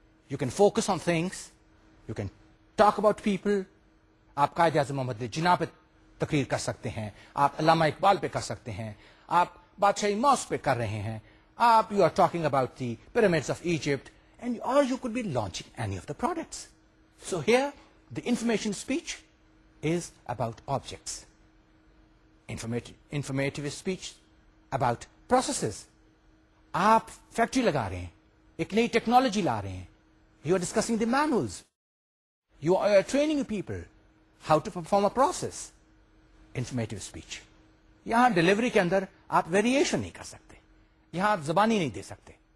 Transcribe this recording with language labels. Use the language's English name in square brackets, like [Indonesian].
[English] You can focus on things, you can talk about people. [Urdu] آپ قائد اعظم محمد جناح پہ تقریر کر سکتے ہیں, آپ علامہ اقبال پہ کر سکتے ہیں, آپ بادشاہ موس پہ کر رہے ہیں, آپ [English] You are talking about the pyramids of Egypt, and اور you could be launching any of the products. So here the information speech is about objects. Informative speech about processes. [Urdu] آپ فیکٹری لگا رہے ہیں, ایک نئی ٹیکنالوجی لا رہے ہیں, [English] You are discussing the menus, you are training people how to perform a process. [Urdu] Informative speech. یہاں delivery کے اندر آپ ویریشن نہیں کر سکتے, آپ زبان ہی نہیں دے سکتے.